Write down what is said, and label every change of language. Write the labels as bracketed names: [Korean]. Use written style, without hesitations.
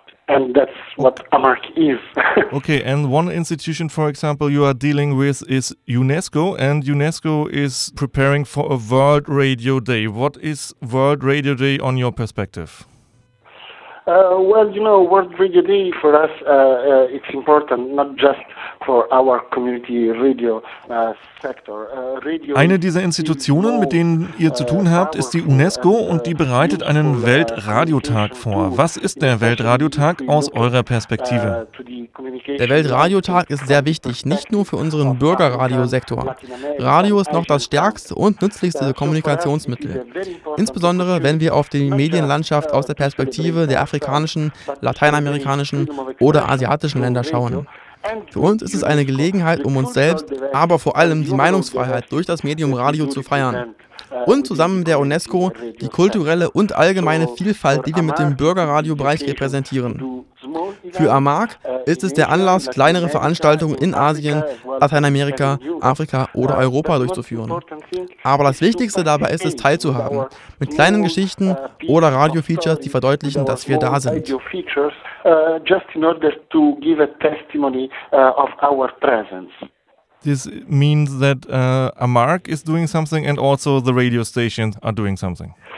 [English] Okay, and one institution, for example, you are dealing with is UNESCO, and UNESCO is preparing for a World Radio Day. What is World Radio Day on your perspective? Well, you know, World Radio Day for us, it's important, not just for our community radio sector. Radio. [German] Eine dieser Institutionen, mit denen ihr zu tun habt, ist die UNESCO und die bereitet einen Weltradiotag vor. Was ist der Weltradiotag aus eurer Perspektive? Der Weltradiotag ist sehr wichtig, nicht nur für unseren Bürgerradiosektor. Radio ist noch das stärkste und nützlichste Kommunikationsmittel. Insbesondere, wenn wir auf die Medienlandschaft aus der Perspektive der afrikanischen, lateinamerikanischen oder asiatischen Länder schauen. Für uns ist es eine Gelegenheit, um uns selbst, aber vor allem die Meinungsfreiheit durch das Medium Radio zu feiern. Und zusammen mit der UNESCO die kulturelle und allgemeine Vielfalt, die wir mit dem Bürgerradiobereich repräsentieren. Für AMARC ist es der Anlass, kleinere Veranstaltungen in Asien, Lateinamerika, Afrika oder Europa durchzuführen. Aber das Wichtigste dabei ist es, teilzuhaben, mit kleinen Geschichten oder Radiofeatures, die verdeutlichen, dass wir da sind. [English] Just in order to give a testimony of our presence. This means that AMARC is doing something and also the radio stations are doing something.